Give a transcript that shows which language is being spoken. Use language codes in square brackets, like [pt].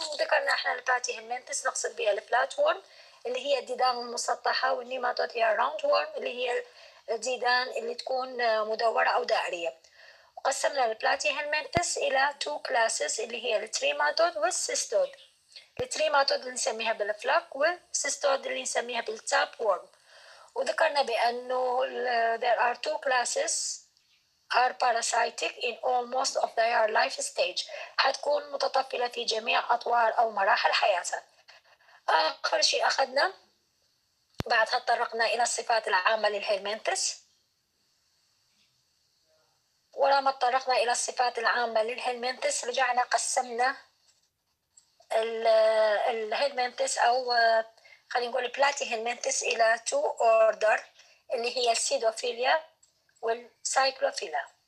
[ar] وذكرنا إحنا البلاتي هلمنتس نقصد بها البلات وورم اللي هي الديدان المسطحة، والنيماتود هي الراوند وورم اللي هي الديدان اللي تكون مدورة أو دائرية. قسمنا البلاتي هلمنتس الى 2 كلاسز اللي هي التريماتود والسيستود. التريماتود اللي نسميها بالفلاك والسيستود اللي نسميها بالتاب وورم. وذكرنا بانه [en] there are two classes are parasitic in almost of their life stage، [ar] حتكون متطفله في جميع اطوار او مراحل حياتها. اخر شيء اخذنا بعدها تطرقنا الى الصفات العامه للهلمنتس، ولما اتطرقنا إلى الصفات العامة للهلمنتس رجعنا قسمنا الهلمنتس أو خلينا نقول البلاتي هلمنتس إلى 2 أوردر اللي هي السيدوفيليا والسايكلوفيلا.